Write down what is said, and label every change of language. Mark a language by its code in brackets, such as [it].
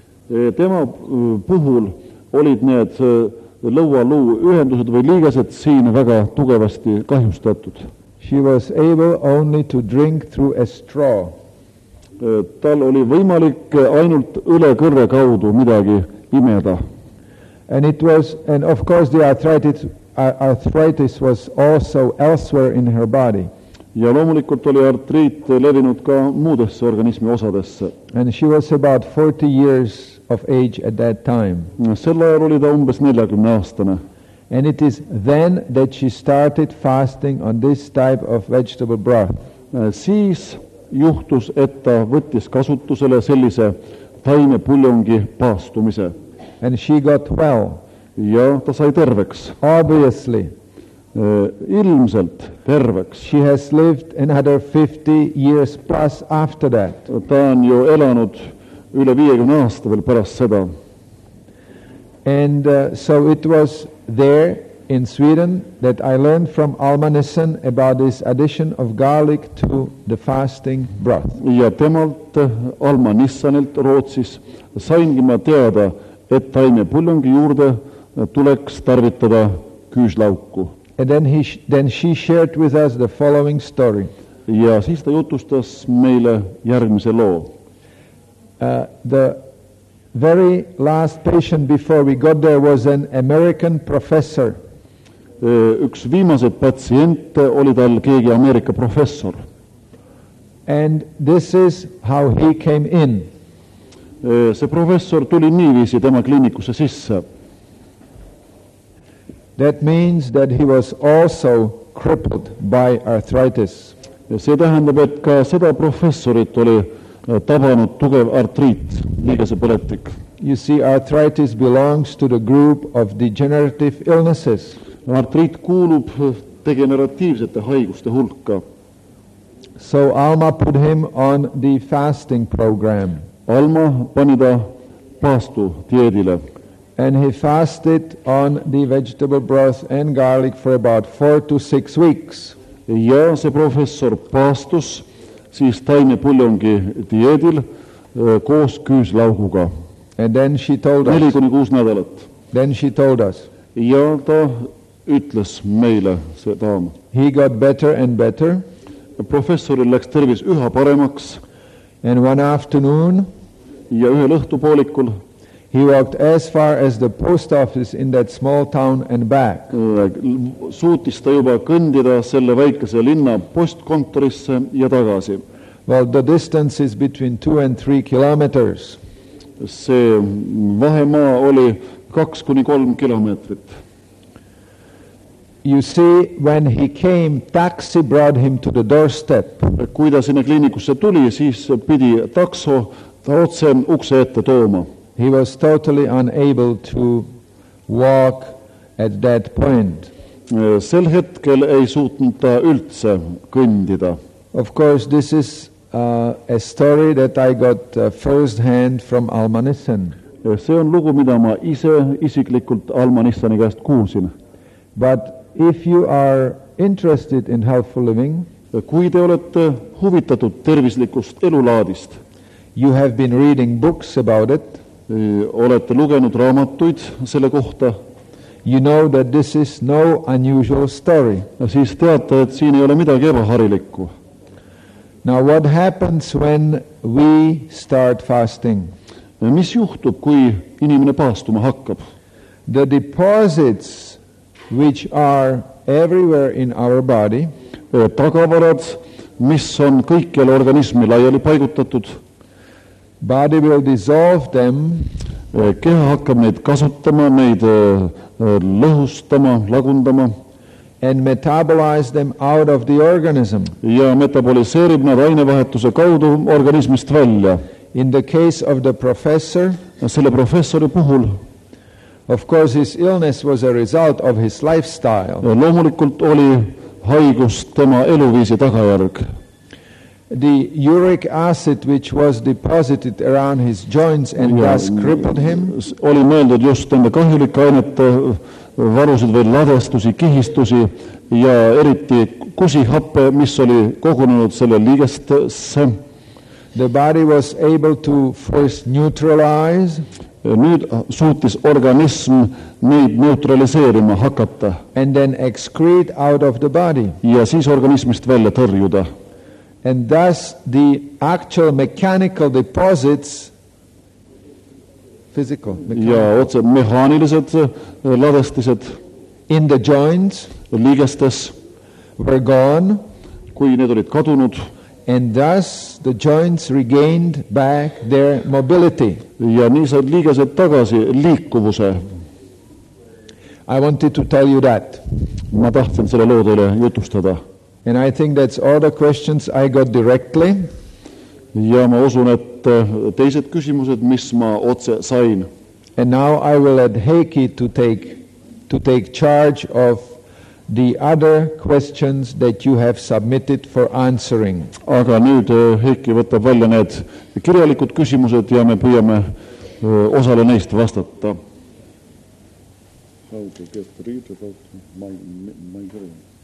[et] Tema puhul olid need lõualuu ühendused või liigased siin väga tugevasti kahjustatud. [en] She was able only to drink through a straw. [et] Tal oli võimalik ainult üle kõrre kaudu midagi imeda. [en] And it was, and of course the arthritis was also elsewhere in her body. [et] Ja loomulikult oli artriit levinud ka muudesse organismi osadesse. [en] And she was about 40 years of age at that time. [et] Selle ajal oli ta umbes 40-aastane. [en] And it is then that she started fasting on this type of vegetable broth. [et] Siis juhtus, et ta võttis kasutusele sellise taimepuljongi paastumise. [en] And she got well. [et] Ja ta sai terveks. [en] Obviously. [et] Ilmselt terveks. [en] She has lived another 50 years plus after that. [et] Ta on ju elanud üle 50 aasta veel pärast seda. [en] And so it was there in Sweden that I learned from Alma Nissen about this addition of garlic to the fasting broth. [et] Ja temalt Alma Nissenilt Rootsis saingi ma teada, et taime puljongi juurde tuleks tarvitada küüslauku. [en] And then she shared with us the following story. [et] Ja siis ta jutustas meile järgmise loo. [en] The very last patient before we got there was an American professor. [et] Üks viimased patsient oli tal keegi Ameerika professor. [en] And this is how he came in. [et] See professor tuli niiviisi tema kliinikusse sisse. [en] That means that he was also crippled by arthritis. [et] See tähendab, et ka seda professorit oli tabanud tugev artriit, liigese põletik. [en] You see, arthritis belongs to the group of degenerative illnesses. [et] Artriit kuulub degeneratiivsete haiguste hulka. [en] So Alma put him on the fasting program. [et] Alma pani ta paastu dieedile. [en] And he fasted on the vegetable broth and garlic for about 4 to 6 weeks. [et] Ja see professor paastus siis taime puljongi dieedil koos küüslauguga. [en] And then she told us. [et] 4-6 nädalat. [en] Then she told us. [et] Ja ta ütles meile see taam. [en] He got better and better. [et] Professoril läks tervis üha paremaks. [en] And one afternoon. [et] Ja ühel õhtupoolikul. [en] He walked as far as the post office in that small town and back. [et] Suutis ta juba kõndida selle väikese linna postkontorisse ja tagasi. [en] Well, the distance is between 2 and 3 kilometers. [et] See vahemaa oli 2-3 kilometrit. [en] You see, when he came, taxi brought him to the doorstep. [et] Kui ta sinna kliinikusse tuli, siis pidi takso ta otse ukse ette tooma. [en] He was totally unable to walk at that point. [et] Sel hetkel ei suutnud ta üldse kõndida. [en] Of course, this is a story that I got first hand from Alma Nissen. [et] See on lugu, mida ma ise isiklikult Alma Nisseni käest kuulsin. [en] But if you are interested in healthful living, [et] kui te olete huvitatud tervislikust elulaadist, [en] you have been reading books about it, [et] olete lugenud raamatuid selle kohta. [en] You know that this is no unusual story. [et] Ja siis teate, et siin ei ole midagi ebaharilikku. [en] Now what happens when we start fasting? [et] Ja mis juhtub, kui inimene paastuma hakkab? [en] The deposits which are everywhere in our body, [et] tagavarad, mis on kõikjal organismi laiali paigutatud. [en] Body will dissolve them. [et] Keha hakkab neid kasutama, neid lõhustama, lagundama. [en] And metabolize them out of the organism. [et] Ja metaboliseerib nad ainevahetuse kaudu organismist välja. [en] In the case of the professor, [et] selle professori puhul, [en] of course his illness was a result of his lifestyle. [et] Ja loomulikult oli haigus tema eluviisi tagajärg. [en] The uric acid which was deposited around his joints and thus crippled him. [et] Oli mõeldud just tema kahjulik ainete varusid veel ladestusi, kihistusi ja eriti kusihappe, mis oli kogunenud selle liigestesse. [en] The body was able to first neutralize. [et] Nüüd suutis organism neid neutraliseerima hakata. [en] And then excrete out of the body. [et] Ja siis organismist välja tõrjuda. [en] And thus the actual mechanical deposits, physical, mechanical. [et] Ja otse mehaanilised ladestised [en] in the joints, [et] liigestes, [en] were gone, [et] kui need olid kadunud. [en] And thus the joints regained back their mobility. [et] Ja nii saad liigesed tagasi liikuvuse. [en] I wanted to tell you that. [et] Ma tahtsin selle loo teile jutustada. [en] And I think that's all the questions I got directly. [et] Ja ma usun, et teised küsimused, mis ma otse sain. [en] And now I will let Heiki to take charge of the other questions that you have submitted for answering. [et] Aga nüüd Heiki võtab välja need kirjalikud küsimused ja me püüame osale neist vastata. [en] How to get rid of migraine?